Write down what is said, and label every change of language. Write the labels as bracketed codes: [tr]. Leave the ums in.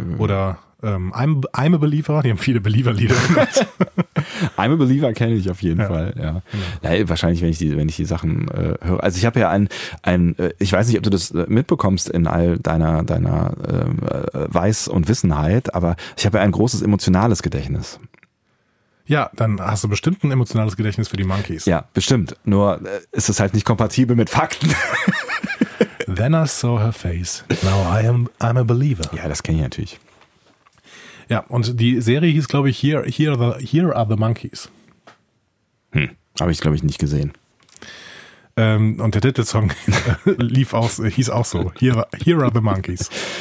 [de] Oder ähm, I'm, I'm a Believer. Die haben viele Believer-Lieder. gemacht. I'm a Believer kenne ich auf jeden ja. Fall. Ja. Nein, genau. Wahrscheinlich, wenn ich die, wenn ich die Sachen äh, höre. Also ich habe ja ein, ein, ich weiß nicht, ob du das mitbekommst in all deiner, deiner äh, Weiß und Wissenheit, aber ich habe ja ein großes emotionales Gedächtnis. Ja, dann hast du bestimmt ein emotionales Gedächtnis für die Monkeys. Ja, bestimmt. Nur äh, ist es halt nicht kompatibel mit Fakten. [en] Then I saw her face. Now I am I'm a believer. [de] Ja, das kenne ich natürlich. Ja, und die Serie hieß, glaube ich, Here, Here, the, Here are the Monkeys. Hm, habe ich, glaube ich, nicht gesehen. Ähm, und der Titelsong lief aus, hieß auch so: Here, Here are the Monkeys.